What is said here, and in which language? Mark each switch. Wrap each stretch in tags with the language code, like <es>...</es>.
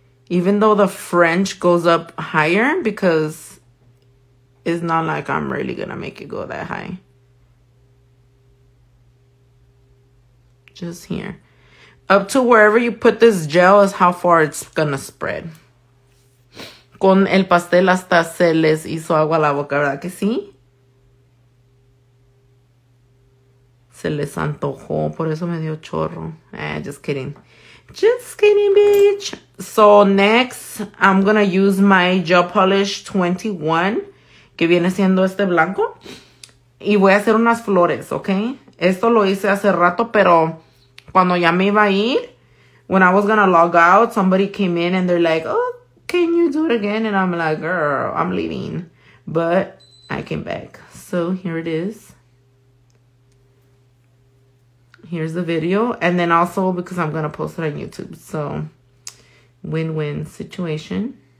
<en>Even though the French goes up higher because it's not like I'm really gonna make it go that high. Just here. Up to wherever you put this gel is how far it's gonna spread.</en> <es>Con el pastel hasta se les hizo agua la boca, ¿verdad que sí? Se les antojó, por eso me dio chorro.</es> <en>Just kidding. Just kidding, bitch. So next, I'm gonna use my gel polish 21,</en> <es>que viene siendo este blanco. Y voy a hacer unas flores, ¿ok? Esto lo hice hace rato, pero... Cuando ya me iba a ir,</es> <en>when I was gonna log out, somebody came in and they're like, oh, can you do it again? And I'm like, girl, I'm leaving. But I came back. So here it is. Here's the video. And then also because I'm gonna post it on YouTube. So win-win situation.</en>